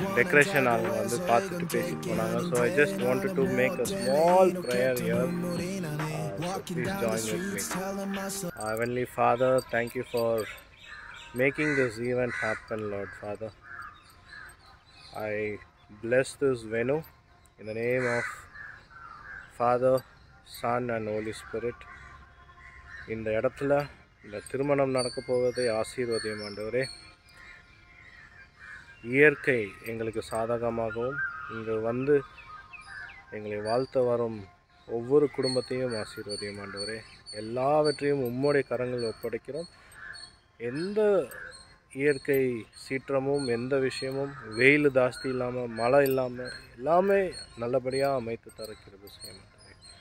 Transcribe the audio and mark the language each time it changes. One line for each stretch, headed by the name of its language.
Tamil: Decoration அவங்க வந்து பார்த்துட்டு பேசிட்டு போனாங்க.
English: So I just want to make a small prayer here. Please join with me. Heavenly Father, thank you for making this event happen, Lord Father. I bless this venue in the name of Father, Son and Holy Spirit.
Tamil: இந்த இடத்துல இந்த திருமணம் நடக்க போவதை ஆசீர்வதியம் ஆண்டவரே. இயற்கை எங்களுக்கு சாதகமாகவும் இங்கு வந்து எங்களை வாழ்த்த வரும் ஒவ்வொரு குடும்பத்தையும் ஆசீர்வதியம் ஆண்டவரே. எல்லாவற்றையும் உம்முடைய கரங்கள் ஒப்படைக்கிறோம். எந்த இயற்கை சீற்றமும் எந்த விஷயமும் வெயில் ஜாஸ்தி இல்லாமல் மழை இல்லாமல் எல்லாமே நல்லபடியாக அமைத்து தரக்கிறது செய்ய மாட்டேன்.